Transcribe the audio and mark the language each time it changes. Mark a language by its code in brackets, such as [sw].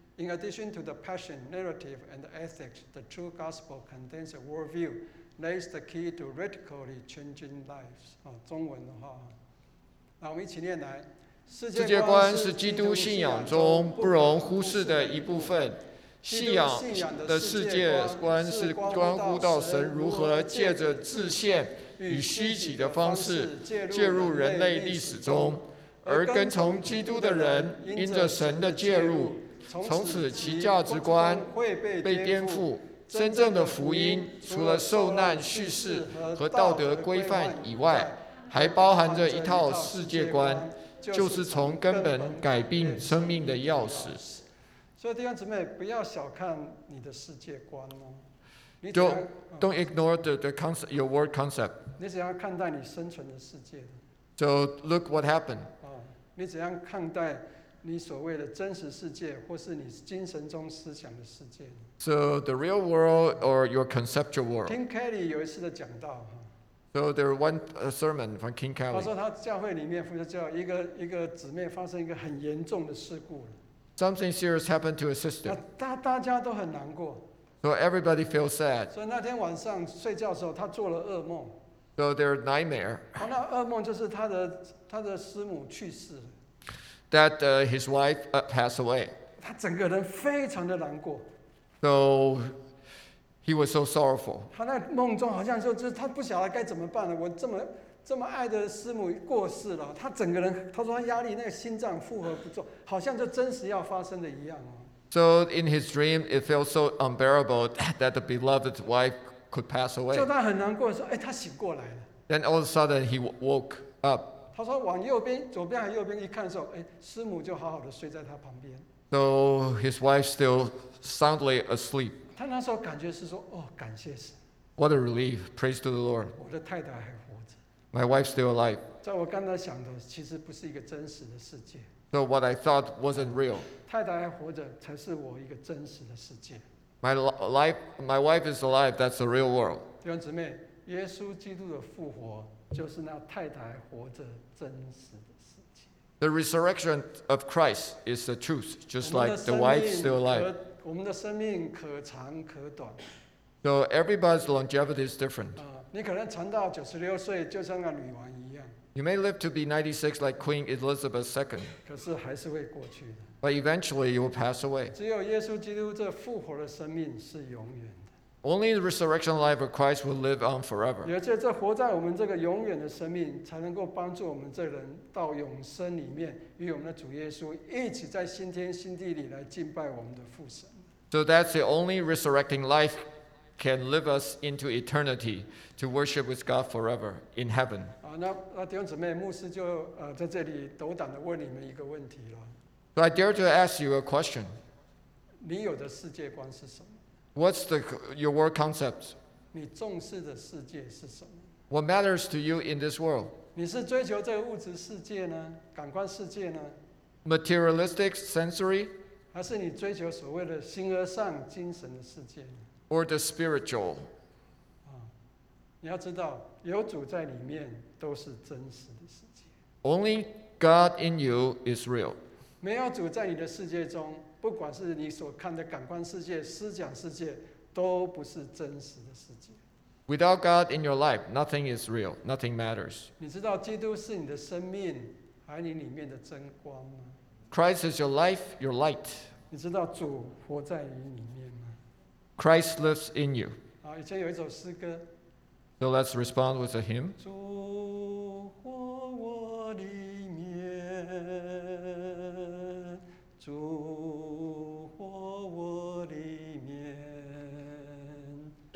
[en] In addition to the passion, narrative, and the ethics, the true gospel contains a worldview that is the key to radically changing lives. [zh] 中文的话，那我们一起念来。世界观是基督信仰中不容忽视的一部分。信仰的世界观是关乎到神如何借着自限与虚己的方式介入人类历史中，而跟从基督的人因着神的介入，从此其价值观被颠覆。真正的福音除了受难叙事和道德规范以外，还包含着一套世界观，就是从根本改变生命的钥匙。所以弟兄姊妹，不要小看你的世界观哦。 [en] Don't ignore the concept, your world concept. [zh] 你怎样看待你生存的世界的 [en] ？So look what happened. [zh] 你怎样看待你所谓的真实世界，或是你精神中思想的世界 [en] ？So the real world or your conceptual world? [zh] King Kelly 有一次的讲道。 [en] So there was one sermon from King Kelly. [zh] 他说他教会里面负责教一个姊妹发生一个很严重的事故。 [en] Something serious happened to his sister. [zh] 大家都很难过。 [en] So everybody feels sad. [zh] 所以那天晚上睡觉的时候，他做了噩梦。 [en] So their nightmare. [zh] 那噩梦就是他的师母去世。 [en] That his wife passed away. [zh] 他整个人非常的难过。 [en] So he was so sorrowful. [zh] 他那梦中好像就是他不晓得该怎么办了。我这么爱的师母过世了，他整个人，他说他压力，那个心脏负荷不住，好像就真实要发生的一样哦。 [en] So in his dream, it felt so unbearable that the beloved wife could pass away. [zh] 就他很难过的时候，他醒过来了。 [en] Then all of a sudden he woke up. [zh] 他说往右边、左边还右边一看的时候，师母就好好的睡在他旁边。 [en] So his wife still soundly asleep. [zh] 他那时候感觉是说，感谢神。 [en] What a relief! Praise to the Lord. [zh] 我的太太还活着。 [en] My wife's still alive. [zh] 在我刚才想的，其实不是一个真实的世界。 [en] So what I thought wasn't real. [zh] 太太还活着才是我一个真实的世界。 [en] My wife is alive. That's the real world. [zh] 弟兄姊妹，耶稣基督的复活就是那太太活着真实的世界。 [en] The resurrection of Christ is the truth, just like the wife still alive. [zh] 我们的生命可长可短。 [en] So everybody's longevity is different. [zh] 你可能长到96岁，就像那女王一样。 [en] You may live to be 96 like Queen Elizabeth II. [zh] 可是还是会过去的。 [en] But eventually you will pass away. [zh] 只有耶稣基督这复活的生命是永远的。 [en] Only the resurrection life of Christ will live on forever. [zh] 而且这活在我们这个永远的生命，才能够帮助我们这人到永生里面，与我们的主耶稣一起在新天新地里来敬拜我们的父神。 [en] So that's the only resurrecting life can live us into eternity to worship with God forever in heaven. [zh] 那弟兄姊妹，牧师就在这里斗胆的问你们一个问题了。 [en] So I dare to ask you a question. [zh] 你有的世界观是什么？ [en] What's your world concept? [zh] 你重视的世界是什么？ [en] What matters to you in this world? [zh] 你是追求这个物质世界呢？感官世界呢？ [en] Materialistic, sensory? [zh] 还是你追求所谓的形而上精神的世界呢？ [en] Or the spiritual. [zh] 你要知道，有主在里面都是真实的世界。 [en] Only God in you is real. [zh] 没有主在你的世界中，不管是你所看的感官世界、思想世界，都不是真实的世界。 [en] Without God in your life, nothing is real. Nothing matters. [zh] 你知道基督是你的生命，还你里面的真光吗？ [en] Christ is your life, your light. [zh] 你知道主活在你里面吗？ [en] Christ lives in you. [zh] 以前有一首诗歌。 [en] So let's respond with a hymn. [zh] 主活我里面，主活我里面。